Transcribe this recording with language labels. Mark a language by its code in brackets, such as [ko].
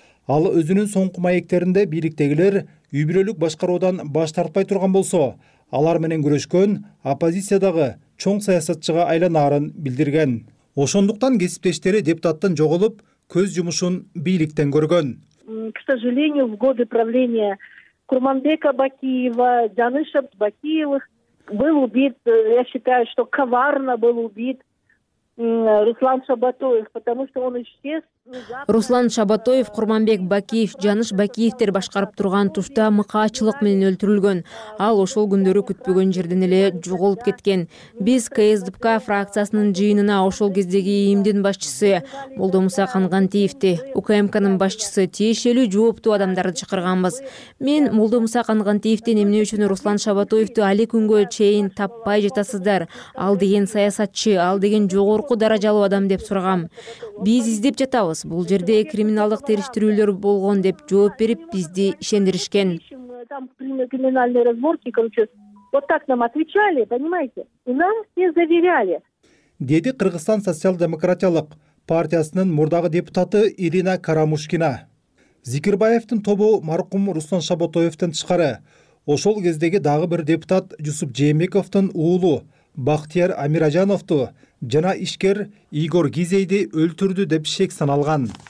[ky] Ал өзүнүн соңку маектеринде бийликтегилер үй бүлөлүк башкаруудан баш тартпай турган болсо, алар менен күрөшкөн оппозициядагы чоң саясатчыга айланаарын билдирген. Ошондуктан кесиптештери депутаттын жоголуп көз жумушун бийликтен көргөн. [ru] К сожалению, в годы правления Курманбека Бакиева, Жанышев Бакиевых был убит, я считаю, что коварно был убит Руслан Шабатоев, потому что он исчез. [ky] Руслан Шабатоев, Курманбек Бакиев, Жаныш Бакиевтер башкарып турган тушта мыкаачылык менен өлтүрүлгөн. Ал ошол күндөрү күтпөгөн жерден эле жоголуп кеткен. Биз КСДПК фракциясынын жыйынына ошол кездеги ИИМдин башчысы Молдомуса Кангантиевти, УКМКнын башчысы тиешелүү жооптуу адамдарды чакырганбыз. Мен Молдомуса Кангантиевтин эмне үчүн Руслан Шабатоевту али күнгө чейин таппай жатасыздар? Ал деген саясатчы, ал деген жогорку даражалуу адам деп сурагам. Биз издеп жатабыз. Бул жерде криминалдык териштирүүлөр болгон деп жооп берип, бизди ишендиришкен. [ru] Там криминальные разборки, короче, вот так нам отвечали, понимаете? И нам все заверяли. [ky] деди Кыргызстан социал-демократиялык партиясынын мурдагы депутаты Ирина Карамушкина. Зикирбаевдин тобу маркум Руслан Шаботоевдин тышкары ошол кездеги дагы бир депутат Жусуп Жээнбековдун уулу Бактияр Амиражановду жана ишкер Игорь Гизейди өлтүрдү деп шек саналган.